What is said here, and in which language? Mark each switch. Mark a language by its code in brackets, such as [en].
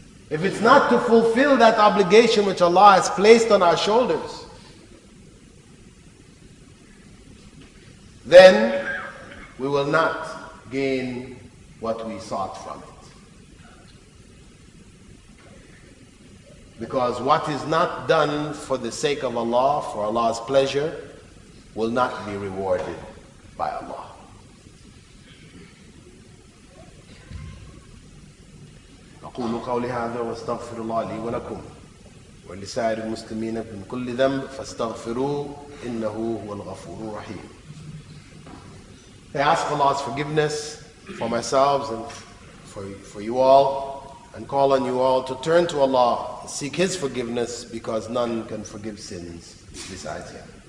[en] If it's not to fulfill that obligation which Allah has placed on our shoulders, then we will not gain what we sought from it. Because what is not done for the sake of Allah, for Allah's pleasure, will not be rewarded by Allah. [ar] أقول قولي هذا واستغفر الله لي ولكم ولسائر المسلمين من كل ذنب فاستغفروه إنه هو الغفور الرحيم. [en] I ask Allah's forgiveness for myself and for you all, and call on you all to turn to Allah and seek His forgiveness, because none can forgive sins besides Him.